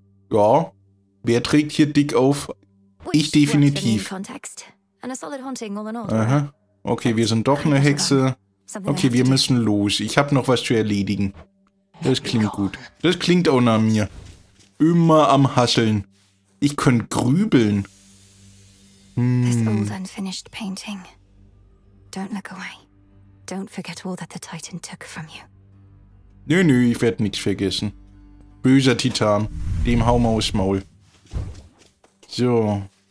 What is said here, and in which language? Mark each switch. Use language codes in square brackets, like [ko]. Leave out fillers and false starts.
[de] Ja, wer trägt hier dick auf? Ich definitiv. Aha. Okay, wir sind doch eine Hexe. Okay, wir müssen los. Ich habe noch was zu erledigen. Das klingt gut. Das klingt auch nach mir. Immer am Hasseln. Ich könnte grübeln. [en] This old unfinished painting. Don't look away. Don't forget all that the Titan took from you. [de] Nö, ich werde nichts vergessen. Böser Titan. Dem hau mal aufs Maul. So.